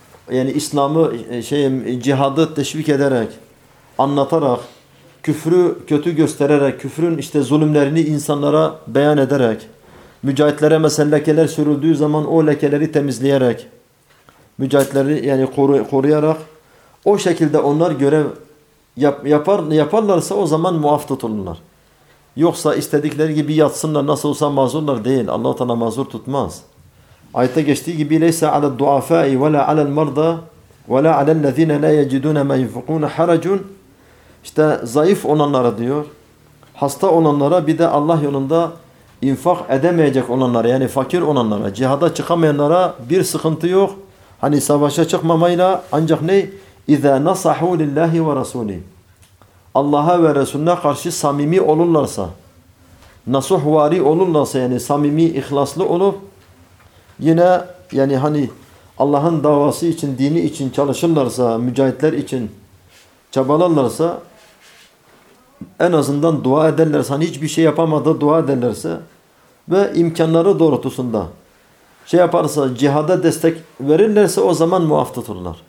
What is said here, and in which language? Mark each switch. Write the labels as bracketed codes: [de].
[tr] yani İslam'ı cihadı teşvik ederek, anlatarak, küfrü kötü göstererek, küfrün işte zulümlerini insanlara beyan ederek, mücahitlere mesela lekeler sürüldüğü zaman o lekeleri temizleyerek, mücahitleri yani koruyarak, o şekilde onlar görev yaparlarsa o zaman muaf tutulurlar. Yoksa istedikleri gibi yatsınlar, nasıl olsa mazurlar değil. Allah-u Teala mazur tutmaz. Ayette geçtiği gibi [ar] لَيْسَ عَلَى الدُّعَفَاءِ وَلَا عَلَى الْمَرْضَى وَلَا عَلَى الَّذِينَ لَا يَجِدُونَ مَا يُنْفِقُونَ حَرَجٌ. [tr] İşte zayıf olanlara diyor, hasta olanlara, bir de Allah yolunda infak edemeyecek olanlara, yani fakir olanlara, cihada çıkamayanlara bir sıkıntı yok. Hani savaşa çıkmamayla, ancak ne? [ar] اِذَا نَصَحُوا لِلَّهِ وَرَسُولِهِ, [tr] Allah'a ve Resulüne karşı samimi olurlarsa, nasuhvari olurlarsa, yani samimi, ihlaslı olup, yine yani hani Allah'ın davası için, dini için çalışırlarsa, mücahitler için çabalarlarsa, en azından dua ederlerse, hani hiçbir şey yapamadı dua ederlerse ve imkanları doğrultusunda şey yaparsa, cihada destek verirlerse o zaman muaf tutulurlar.